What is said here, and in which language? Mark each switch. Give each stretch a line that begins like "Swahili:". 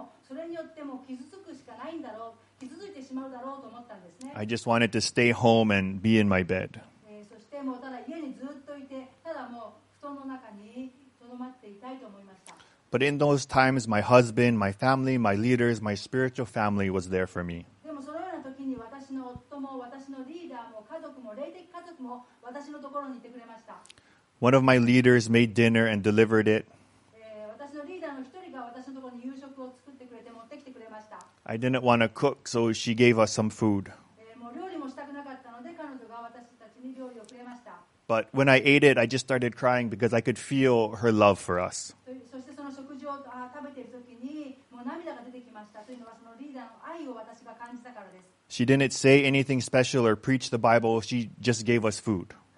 Japanese: それによっても傷つくしかないんだろう、傷ついてしまうんだろうと思ってしまって、しまうだろうと思ったんですね。
English: I just wanted to stay home and be in my bed.
Japanese: そしてもうただ家にずっといて、ただもう布団の中にとどまっていたいと思いました。
English: But in those times, my husband, my family, my leaders, my spiritual family was there for me.
Japanese: でもそのような時に私の夫も私のリーダーも家族も霊的家族も私のところにいてくれました。
English: One of my leaders made dinner and delivered it.
Japanese: 私のリーダーの一人が私のところに夕食を作ってくれて持ってきてくれました。
English: I didn't want to cook, so she gave us some food.
Japanese: もう料理もしたくなかったので彼女が私たちに料理をくれました。
English: But when I ate it, I just started crying because I could feel her love for us.
Japanese: そしてその食事を食べている時にもう涙が出てきましたというのはそのリーダーの愛を私が感じたからです。
English: She didn't say anything special or preach the Bible, she just gave us food.